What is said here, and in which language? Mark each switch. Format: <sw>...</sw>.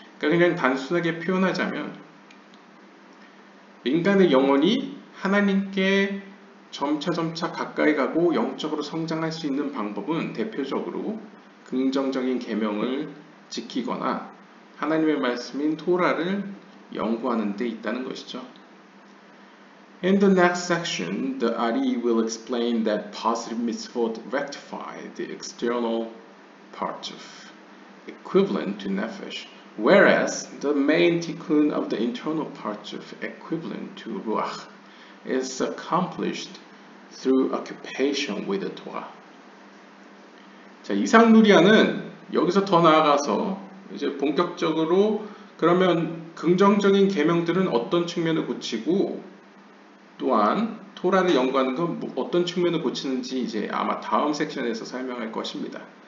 <ko>그러니까 그냥 단순하게 표현하자면 인간의 영혼이 하나님께 점차 가까이 가고 영적으로 성장할 수 있는 방법은 대표적으로 긍정적인 계명을 지키거나 하나님의 말씀인 토라를 연구하는 데 있다는 것이죠.</ko> <en>In the next section, the Ari will explain that positive mitzvot rectify the external part of equivalent to nefesh, whereas the main tikkun of the internal part of equivalent to ruach is accomplished through occupation with the Torah.</en> <ko>자, 이상 누리아는 여기서 더 나아가서 이제 본격적으로 그러면 긍정적인 계명들은 어떤 측면을 고치고 또한 토라를 연구하는 건 어떤 측면을 고치는지 이제 아마 다음 섹션에서 설명할 것입니다.</ko>